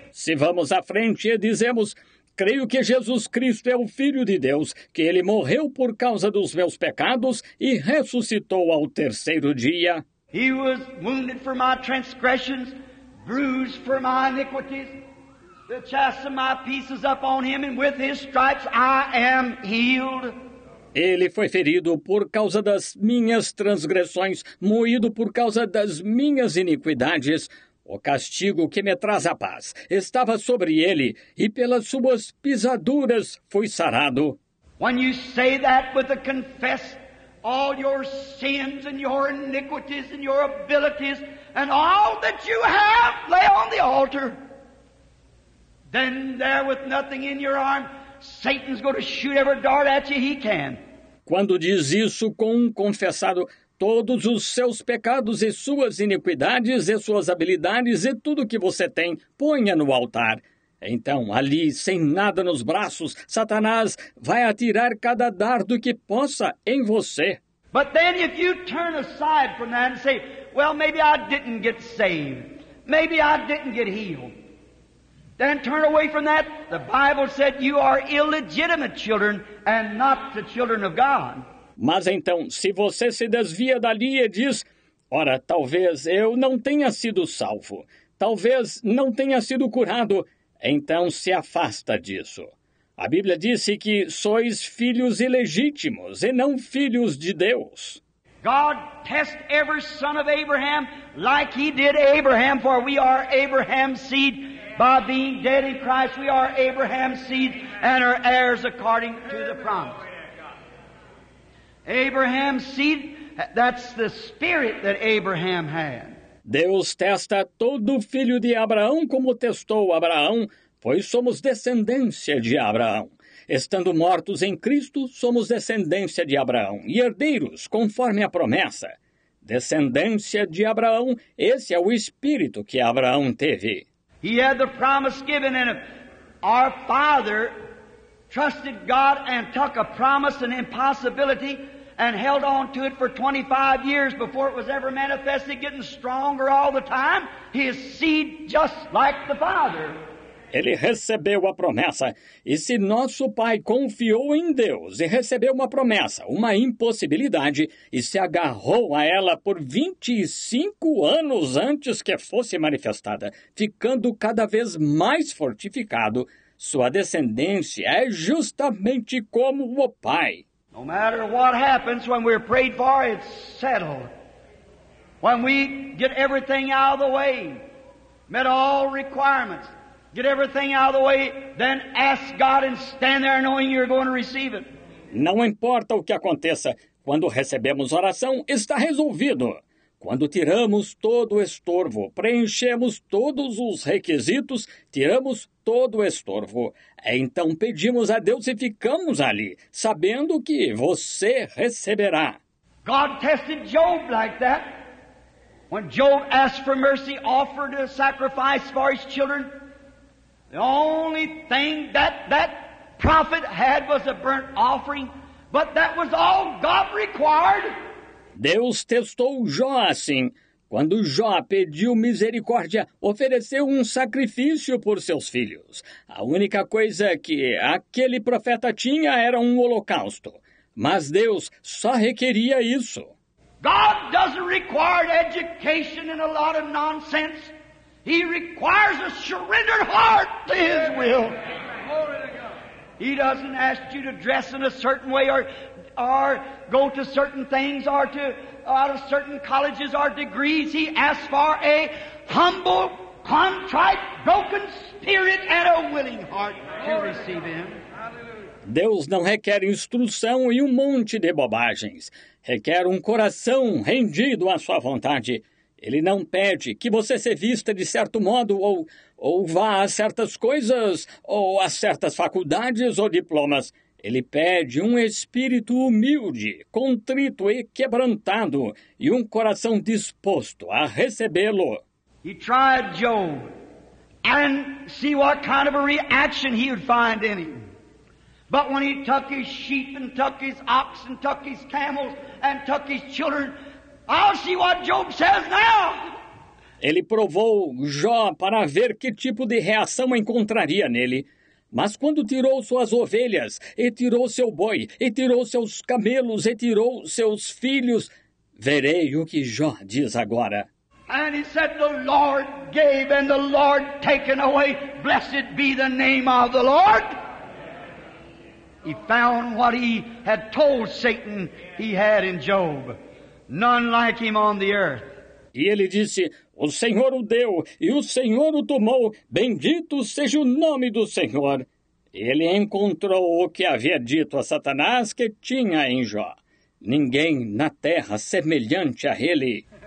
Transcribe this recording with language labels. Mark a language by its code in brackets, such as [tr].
[pt] Se vamos à frente e dizemos, creio que Jesus Cristo é o Filho de Deus, que Ele morreu por causa dos meus pecados e ressuscitou ao terceiro dia. [en] He was wounded for my transgressions, bruised for my iniquities. The chastisement of my peace is up on him, and with his stripes I am healed. [pt] Ele foi ferido por causa das minhas transgressões, moído por causa das minhas iniquidades. O castigo que me traz a paz estava sobre ele, e pelas suas pisaduras fui sarado. [en] When you say that with a confess all your sins and your iniquities and your abilities and all that you have lay on the altar, then there with nothing in your arm, Satan's going to shoot every dart at you he can. [pt] Quando diz isso com um confessado, todos os seus pecados e suas iniquidades e suas habilidades e tudo que você tem, ponha no altar. Então, ali, sem nada nos braços, Satanás vai atirar cada dardo que possa em você. [en] But then if you turn aside from that and say, well, maybe I didn't get saved, maybe I didn't get healed, then turn away from that. The Bible said you are illegitimate children and not the children of God. [pt] Mas então, se você se desvia dali e diz, ora, talvez eu não tenha sido salvo, talvez não tenha sido curado, então se afasta disso. A Bíblia disse que sois filhos ilegítimos e não filhos de Deus. [en] God test every son of Abraham like he did Abraham, for we are Abraham's seed. By being dead in Christ, we are Abraham's seed and are heirs according to the promise. Abraham's seed, that's the spirit that Abraham had. [pt] Deus testa todo filho de Abraão como testou Abraão, pois somos descendência de Abraão. Estando mortos em Cristo, somos descendência de Abraão e herdeiros conforme a promessa. Descendência de Abraão, esse é o espírito que Abraão teve. [en] He had the promise given in him. Our father trusted God and took a promise, an impossibility, and held on to it for 25 years before it was ever manifested, getting stronger all the time. His seed, just like the father. [pt] Ele recebeu a promessa. E se nosso pai confiou em Deus e recebeu uma promessa, uma impossibilidade, e se agarrou a ela por 25 anos antes que fosse manifestada, ficando cada vez mais fortificado, sua descendência é justamente como o pai. [en] No matter what happens when we're prayed for, it's settled. When we get everything out of the way, met all requirements, get everything out of the way, then ask God and stand there knowing you're going to receive it. [pt] Não importa o que aconteça, quando recebemos oração, está resolvido. Quando tiramos todo o estorvo, preenchemos todos os requisitos, tiramos todo o estorvo. Então pedimos a Deus e ficamos ali, sabendo que você receberá. [en] God tested Job like that. When Job asked for mercy, offered a sacrifice for his children, the only thing that prophet had was a burnt offering, but that was all God required. [pt] Deus testou Jó assim. Quando Jó pediu misericórdia, ofereceu um sacrifício por seus filhos. A única coisa que aquele profeta tinha era um holocausto. Mas Deus só requeria isso. [en] God doesn't require education and a lot of nonsense. He requires a surrendered heart to his will. He doesn't ask you to dress in a certain way or go to certain things, or to out of certain colleges or degrees. He asks for a humble, contrite, broken spirit and a willing heart to receive him. [pt] Deus não requer instrução e um monte de bobagens. Requer um coração rendido à sua vontade. Ele não pede que você se vista de certo modo ou vá a certas coisas ou a certas faculdades ou diplomas. Ele pede um espírito humilde, contrito e quebrantado, e um coração disposto a recebê-lo. [en] He tried Job and see what kind of a reaction he would find in him. But when he took his sheep and took his ox and took his camels and took his children, I'll see what Job says now. [pt] Ele provou Jó para ver que tipo de reação encontraria nele. Mas quando tirou suas ovelhas, e tirou seu boi, e tirou seus camelos, e tirou seus filhos, verei o que Jó diz agora. [en] And he said, the Lord gave and the Lord taken away. Blessed be the name of the Lord. He found what he had told Satan he had in Job. None like him on the earth. [pt] E ele disse, o Senhor o deu e o Senhor o tomou. Bendito seja o nome do Senhor. Ele encontrou o que havia dito a Satanás que tinha em Jó. Ninguém na terra semelhante a ele.